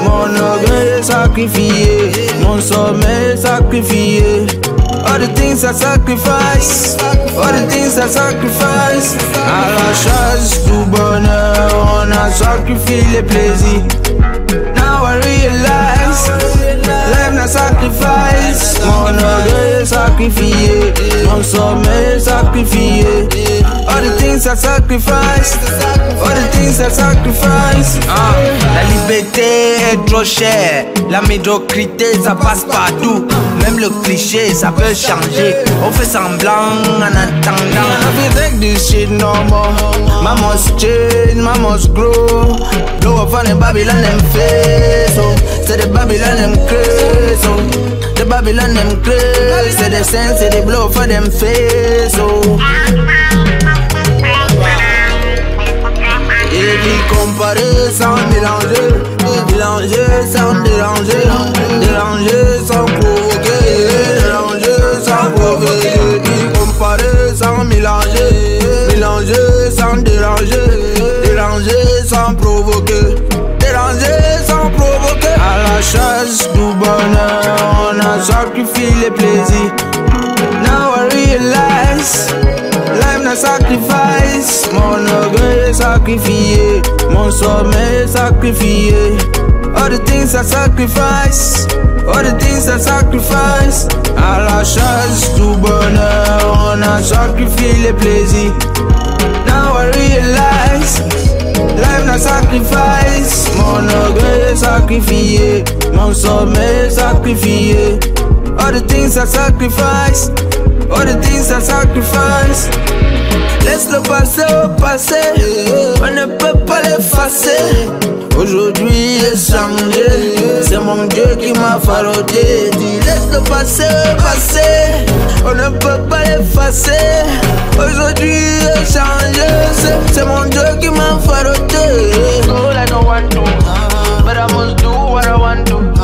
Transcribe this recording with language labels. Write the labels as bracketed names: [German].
[French] Mon orgueil est sacrifié. Mon sommeil est sacrifié. [English] All the things I sacrifice. All the things I sacrifice. [French] À la chasse du bonheur, on a sacrifié les plaisirs. [English] Now I realize, life na sacrifice. [French] Mon orgueil est sacrifié. Mon sommeil est sacrifié. [English] All the things I sacrifice. All the things I sacrifice. [French] La liberté est trop chère. La médiocrité, ça passe partout. Même le cliché, ça peut changer. On fait semblant en attendant. [English] I feel like this shit no more. Man must change, man must grow. Blow up on the Babylon them face. Say the Babylon them crazy. The Babylon them crazy. Say the sense, say the blow up on them face. [French] Et qui comparer sans mélanger, mélanger sans déranger, déranger sans provoquer, déranger sans provoquer. Et qui comparer sans mélanger, mélanger sans déranger, déranger sans provoquer, déranger sans provoquer. À la chasse du bonheur, on a sacrifié les plaisirs. [English] Now I realize. Life na sacrifice. [French] Mon orgueil est sacrifié. Mon sommeil est sacrifié. [English] All the things I sacrifice. All the things I sacrifice. [French] À la chasse du bonheur, on a sacrifié les plaisirs. [English] Now I realize. Life na sacrifice. [French] Mon orgueil est sacrifié. Mon sommeil est sacrifié. [English] All the things I sacrifice. All the things I sacrifice. [French] Laisse le passé au passé. On ne peut pas l'effacer. Aujourd'hui j'ai changé. C'est mon Dieu qui m'a farodé. Laisse le passé au passé. On ne peut pas l'effacer. Aujourd'hui j'ai changé. C'est mon Dieu qui m'a farodé. [English] All I don't want to. But I must do what I want to.